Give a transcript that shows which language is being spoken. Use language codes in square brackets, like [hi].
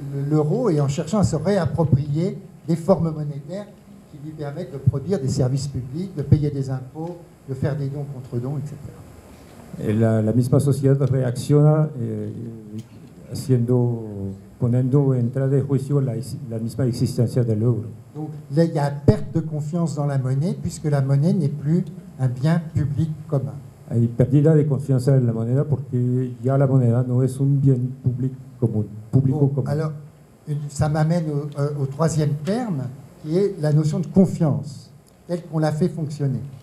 [fr] l'euro et en cherchant à se réapproprier des formes monétaires qui lui permettent de produire des services publics, de payer des impôts, de faire des dons contre dons, etc. Et [es] la misma sociedad reacciona haciendo, poniendo en tela de juicio la misma existencia del euro. [fr] Donc là, il y a perte de confiance dans la monnaie puisque la monnaie n'est plus un bien public commun. [es] Hay pérdida de confianza en la moneda porque ya la moneda no es un bien público común. [fr] Alors, ça m'amène au troisième terme qui est la notion de confiance, telle qu'on l'a fait fonctionner.